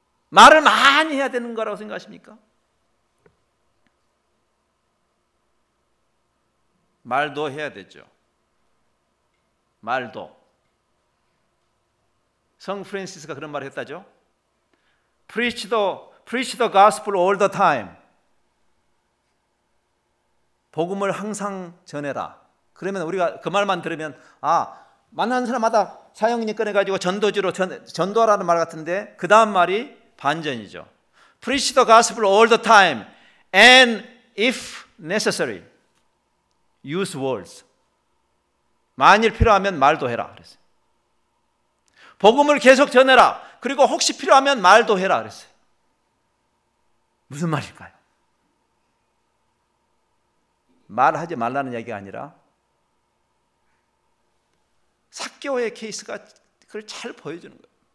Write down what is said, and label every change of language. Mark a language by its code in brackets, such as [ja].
[ko] 말을 많이 해야 되는 거라고 생각하십니까? 말도 해야 되죠. 말도. 성 프란시스가 그런 말을 했다죠. [en] Preach the gospel all the time. [ko] 복음을 항상 전해라. 그러면 우리가 그 말만 들으면 아, 만나는 사람마다 사형이니 꺼내가지고 전도지로 전도하라는 말 같은데 그 다음 말이 반전이죠. [en] Preach the gospel all the time. And if necessary, use words. [ko] 만일 필요하면 말도 해라 그랬어요. 복음을 계속 전해라. 그리고 혹시 필요하면 말도 해라 그랬어요. 무슨 말일까요? 말하지 말라는 얘기가 아니라 삭개오의 케이스가 그걸 잘 보여주는 거예요.